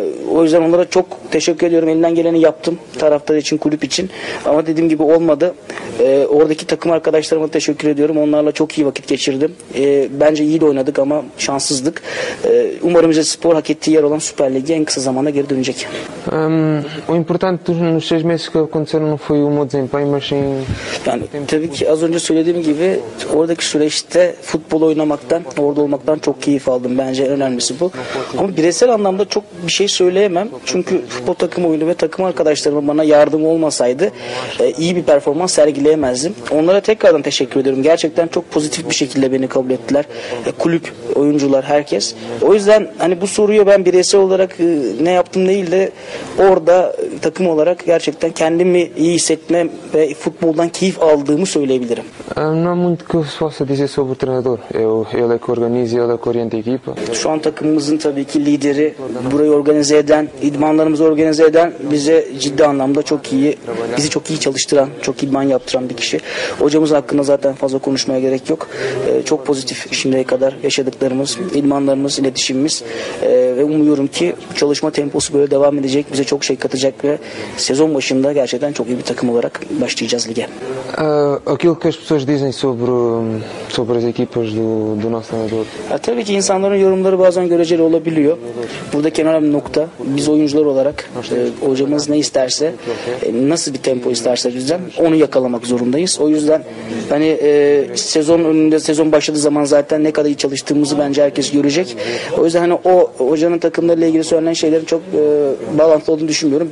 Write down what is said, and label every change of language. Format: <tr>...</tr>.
<tr>O yüzden onlara çok teşekkür ediyorum. Elinden geleni yaptım. Taraftar için, kulüp için. Ama dediğim gibi olmadı. Oradaki takım arkadaşlarıma teşekkür ediyorum. Onlarla çok iyi vakit geçirdim. Bence iyi de oynadık ama şanssızlık. Umarım Rizespor hak ettiği yer olan Süper Ligi en kısa zamanda geri dönecek.</tr> <pt>O importante dos seis meses que aconteceram não foi o meu desempenho, mas sim.</pt> <tr>Tabii ki az önce söylediğim gibi oradaki süreçte futbol oynamaktan, orada olmaktan çok keyif aldım. Bence en önemlisi bu. Ama bireysel anlamda çok bir şey söyleyemem. Çünkü futbol takımı oyunu ve takım arkadaşlarımın bana yardım olmasaydı iyi bir performans sergileyemezdim. Onlara tekrardan teşekkür ediyorum. Gerçekten çok pozitif bir şekilde beni kabul ettiler. Kulüp, oyuncular, herkes. O yüzden hani bu soruyu ben bireysel olarak ne yaptım değil de orada takım olarak gerçekten kendimi iyi hissetme ve futboldan keyif aldığımı söyleyebilirim. Şu an takımımızın tabii ki lideri, burayı organize eden, idmanlarımızı organize eden, bize ciddi anlamda çok iyi, bizi çok iyi çalıştıran, çok idman yaptıran bir kişi. Hocamız hakkında zaten fazla konuşmaya gerek yok. Çok pozitif şimdiye kadar yaşadıklarımız, idmanlarımız, iletişimimiz ve umuyorum ki çalışma temposu böyle devam edecek, bize çok şey katacak ve sezon başında gerçekten çok iyi bir takım olarak başlayacağız lige.</tr> <pt>Aquilo que as pessoas dizem sobre as equipas do nosso treinador.</pt> <tr>Tabii ki insanların yorumları bazen göreceli olabiliyor. Burada kenara bir nokta. Biz oyuncular olarak hocamız ne isterse, nasıl bir tempo isterse bizden onu yakalamak zorundayız. O yüzden hani sezon önünde, sezon başladığı zaman zaten ne kadar iyi çalıştığımızı bence herkes görecek. O yüzden hani o hocanın takımlarıyla ilgili söylenen şeylerin çok bağlantılı olduğunu düşünmüyorum.</tr>